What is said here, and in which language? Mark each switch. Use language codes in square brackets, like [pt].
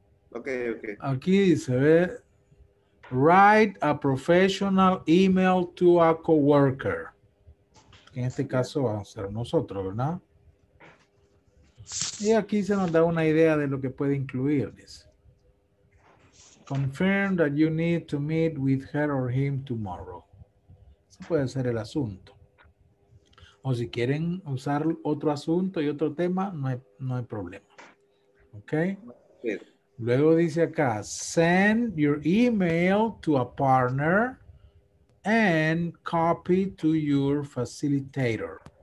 [en] Okay. [es] Aquí dice, ve. [en] Write a professional email to a coworker. [es] En este caso va a ser nosotros, ¿verdad? Y aquí se nos da una idea de lo que puede incluir. [en] Confirm that you need to meet with her or him tomorrow. [es] Puede ser el asunto. O si quieren usar otro asunto y otro tema, no hay problema. ¿Ok? Sí. Luego dice acá, [en] send your email to a partner and copy to your facilitator.